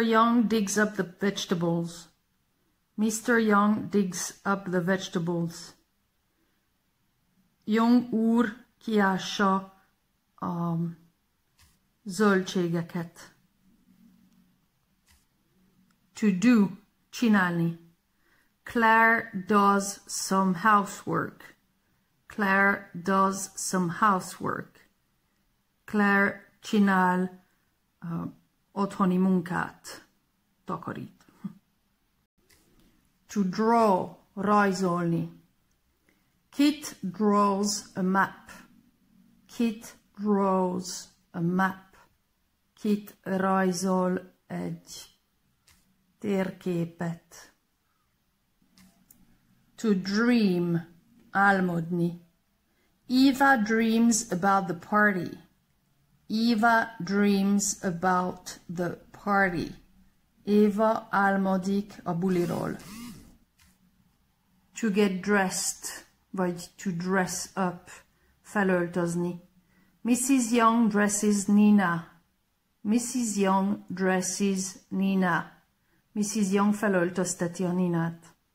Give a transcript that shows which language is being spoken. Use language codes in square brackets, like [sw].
[en] Young digs up the vegetables. Mr. Young digs up the vegetables. [hu] Young úr kiássa a zöldségeket. [en] To do, csinálni. Claire does some housework. Claire does some housework. [hu] Claire csinál otthoni munkát, takarít. [en] To draw, rajzolni. Kit draws a map. Kit draws a map. [hu] Kit rajzol egy térképet. [en] To dream, álmodni. Eva dreams about the party. Eva dreams about the party. [hu] Eva álmodik a buliról. [en] To get dressed, vagy to dress up, felöltözni. Mrs. Young dresses Nina. Mrs. Young dresses Nina. Mrs. [hu] Young felöltözteti a Ninát.